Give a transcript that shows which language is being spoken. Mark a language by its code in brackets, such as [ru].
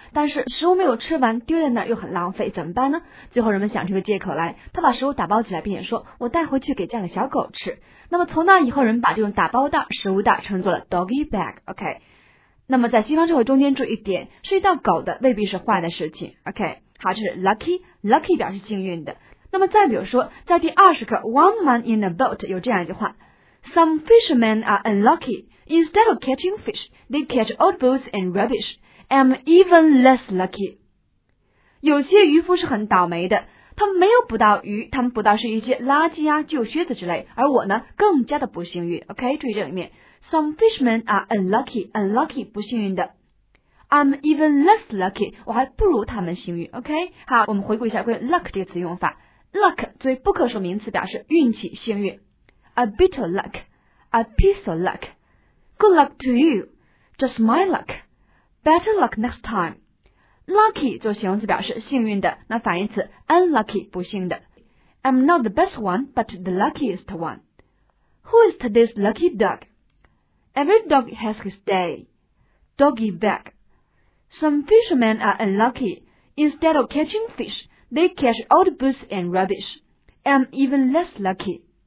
[zh] 但是食物没有吃完丢在那儿又很浪费，怎么办呢？最后人们想出个借口来，他把食物打包起来，并且说我带回去给家里小狗吃。那么从那以后，人们把这种打包袋、食物袋称作了 doggy bag。 OK, 那么在西方社会中间注意一点，涉及到狗的未必是坏的事情。 OK, 好，这是 lucky, lucky 表示幸运的。那么再比如说在第二十课 One man in a boat 有这样一句话， [en] Some fishermen are unlucky. Instead of catching fish, they catch old boats and rubbish. I'm even less lucky. [zh] 有些渔夫是很倒霉的，他们没有捕到鱼，他们捕到是一些垃圾啊、旧靴子之类，而我呢更加的不幸运。 [en] OK, [zh] 注意这里面 [en] Some fishermen are unlucky, unlucky [zh] 不幸运的。 [en] I'm even less lucky, [zh] 我还不如他们幸运。OK, 好，我们回顾一下关于 luck 这个词用法。 Luck 作为不可数名词表示运气、幸运。 [en] A bit of luck, a piece of luck. Good luck to you, just my luck. Better luck next time. [zh] Lucky 作为形容词表示幸运的，那反义词 unlucky 不幸的。 [en] I'm not the best one, but the luckiest one. Who is today's lucky dog? Every dog has his day. Doggy bag. Some fishermen are unlucky. Instead of catching fish,They catch old boots and rubbish. I'm even less lucky.